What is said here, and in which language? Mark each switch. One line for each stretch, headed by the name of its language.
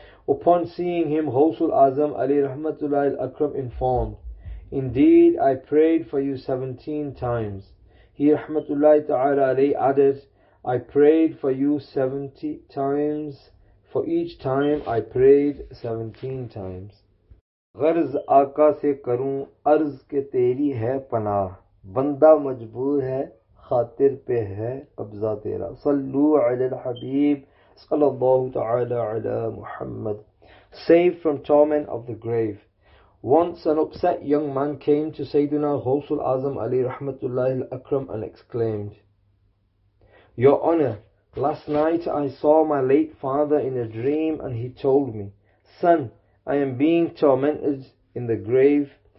English: Upon seeing him, Ghawsul Azam Ali Rahmatullah Al Akram informed, Indeed, I prayed for you 17 times. He Rahmatullah Ta'ala Ali added, I prayed for you 70 times. For each time, I prayed 17 times.
Urdu: غرض آقا سے کروں عرض کہ تیری ہے پناہ بندہ مجبور ہے خاطر پہ ہے قبضہ تیرا
Arabic: صلو علی الحبیب Sallallahu ta'ala ala Muhammad.
English: Saved from torment of the grave. Once an upset young man came to Sayyidina Ghawsul Azam Ali Rahmatullah Al Akram and exclaimed, Your Honor, Last night I saw my late father in a dream and he told me, Son, I am being tormented in the grave.